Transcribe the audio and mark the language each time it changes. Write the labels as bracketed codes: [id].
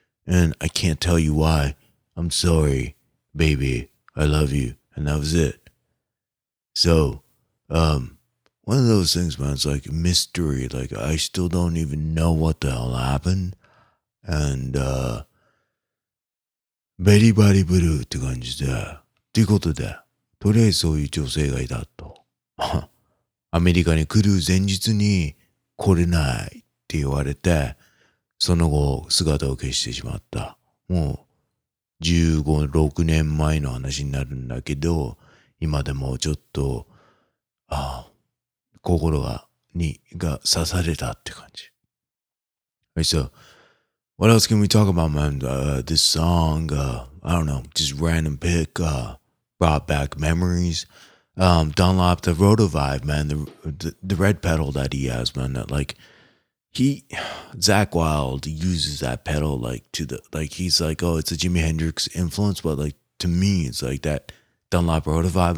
[en] And I can't tell you why. I'm sorry, baby. I love you. And that was it. So, one of those things, man, it's like mystery. Like, I still don't even know what the hell happened. And, Betty Body Blue, [ja] って感じで。ってことで、とりあえずそういう女性がいたと。アメリカに来る前日に来れないって言われて、その後姿を消してしまった。もう15、6年前の話になるんだけど、今でもちょっと、心が、が刺されたって感じ。 [en] Alright, so, what else can we talk about, man? This song, I don't know, just random pick, brought back memories. Dunlop, the Roto Vibe, man, the red pedal that he has, man, that like,Zach Wild uses that pedal like to the, like he's like, oh, it's a Jimi Hendrix influence, but like to me, it's like that Dunlop Roto vibe.